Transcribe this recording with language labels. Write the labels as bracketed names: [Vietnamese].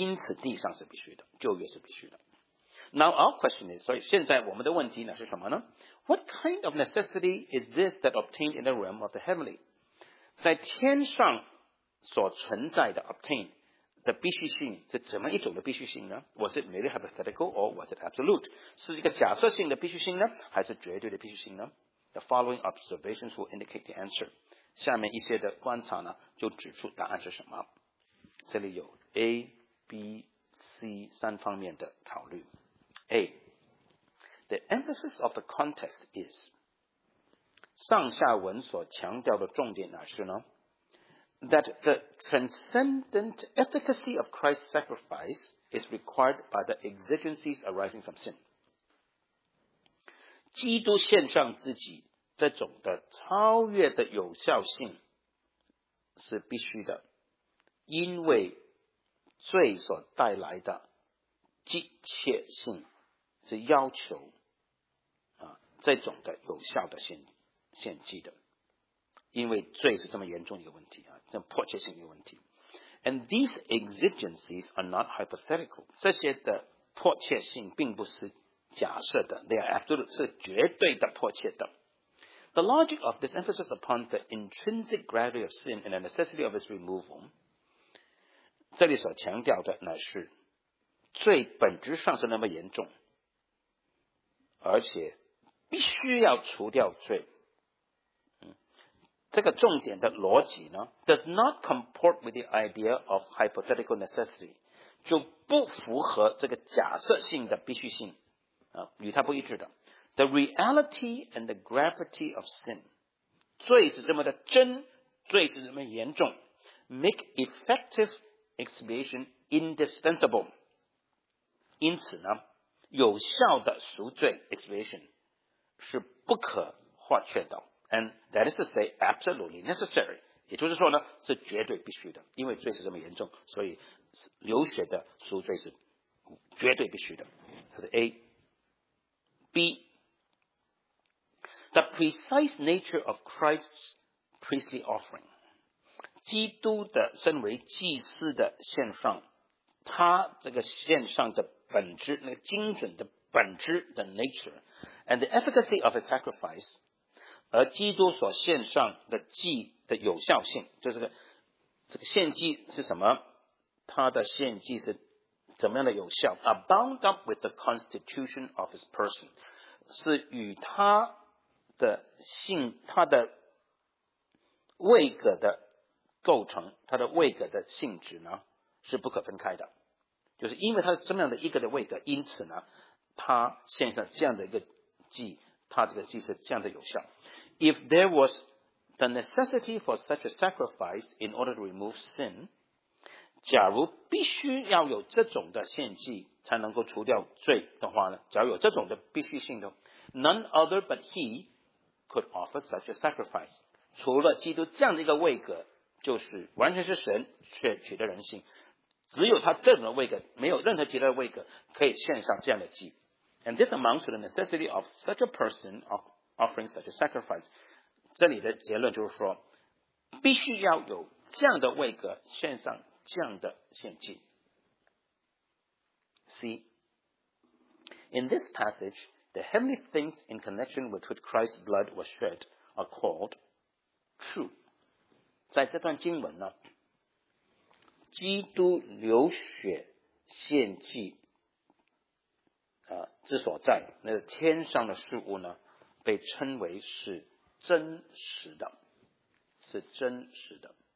[Chinese] 圣所里面的流血是必须的，因此地上是必须的，旧约是必须的。 [English] Now our question is, [Chinese] 所以现在我们的问题呢是什么呢？ [English] What kind of necessity is this that obtained in the realm of the heavenly? [Chinese] 在天上所存在的 obtain 的必须性是怎么一种的必须性呢？ [English] Was it merely hypothetical or was it absolute? [Chinese] 是一个假设性的必须性呢，还是绝对的必须性呢？ [English] The following observations will indicate the answer. [Chinese] 下面一些的观察呢，就指出答案是什么。这里有 A、 B、 C 三方面的考虑。A, [English] the emphasis of the context is [Chinese] 上下文所强调的重点哪是呢？ [English] That the transcendent efficacy of Christ's sacrifice is required by the exigencies arising from sin. [Chinese] 基督献上自己 这种的超越的有效性是必须的，因为罪所带来的急切性是要求这种的有效的献祭的，因为罪是这么严重一个问题，这迫切性一个问题。 [English] And these exigencies are not hypothetical. [Chinese] 这些的迫切性并不是假设的， [English] they are absolute, [Chinese] 是绝对的迫切的。 [English] The logic of this emphasis upon the intrinsic gravity of sin and the necessity of its removal, [Chinese] 这里所强调的乃是罪本质上是那么严重，而且必须要除掉罪。这个重点的逻辑呢， [English] does not comport with the idea of hypothetical necessity. [Chinese] 就不符合这个假设性的必须性、啊、与它不一致的。 [English] The reality and the gravity of sin. [Chinese] 罪是这么的真，罪是这么严重。 [English] Make effective expiation indispensable. [Chinese] 因此呢，有效的赎罪 expiation 是不可或缺的。 [English] And that is to say absolutely necessary. [Chinese] 也就是说呢，是绝对必须的。因为罪是这么严重，所以流血的赎罪是绝对必须的。它是 A。B。 [English] The precise nature of Christ's priestly offering. [Chinese] 基督的身为祭司的献上，他这个献上的本质，那个精准的本质的 [English] nature, and the efficacy of his sacrifice, [Chinese] 而基督所献上的祭的有效性，就是这个献祭是什么，他的献祭是怎么样的有效， [English] are bound up with the constitution of his person, [Chinese] 是与他的性，他的位格的构成，他的位格的性质呢是不可分开的，就是因为他是这么样的一个的位格，因此呢他献上这样的一个祭，他这个祭是这样的有效。 [English] If there was the necessity for such a sacrifice in order to remove sin, [Chinese] 假如必须要有这种的献祭才能够除掉罪的话呢，假如有这种的必须性的， [English] none other but heCould offer such a sacrifice. [Chinese] 除了基督这样的一个位格，就是完全是神却取得人性，只有他这种的位格，没有任何其他的位格可以献上这样的祭。 [English] And this amounts to the necessity of such a person of offering such a sacrifice. [Chinese] 这里的结论就是说，必须要有这样的位格献上这样的献祭。 [English] C. In this passage,The heavenly things in connection with which Christ's blood was shed are called true. [Chinese] 在这段经文呢，基督流血献祭、之所在，那个、天上的事物呢，被称为是真实的，是真实的。